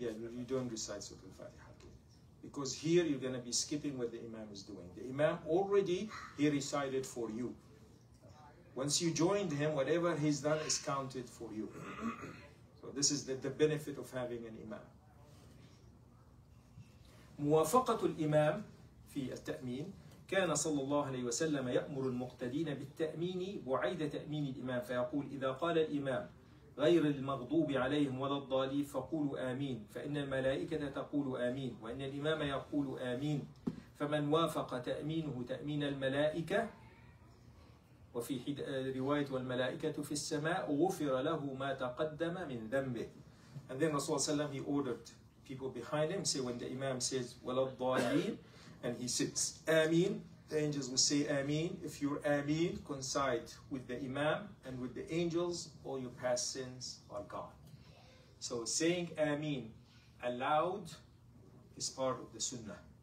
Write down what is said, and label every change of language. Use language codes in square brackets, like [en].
[en] Yeah, you don't recite Surah Al-Fatiha. Because here you're going to be skipping what the Imam is doing. The Imam already, he recited for you. Once you joined him, whatever he's done is counted for you. So this is the benefit of having an Imam. [ar] موافقة الإمام في التأمين كان صلى الله عليه وسلم يأمر المقتدين بالتأمين بعيد تأمين الإمام فيقول إذا قال الإمام غير المغضوب عليهم ولا الضالين فقولوا آمين فإن الملائكة تقول آمين وإن الإمام يقول آمين فمن وافق تأمينه تأمين الملائكة وفي رواية والملائكة في السماء غفر له ما تقدم من ذنبه. [en] And then Rasulullah sallam, he ordered people behind him, say when the imam says walad dalin and he sits ameen, the angels will say ameen. If your ameen coincide with the imam and with the angels, all your past sins are gone. So saying ameen aloud is part of the sunnah.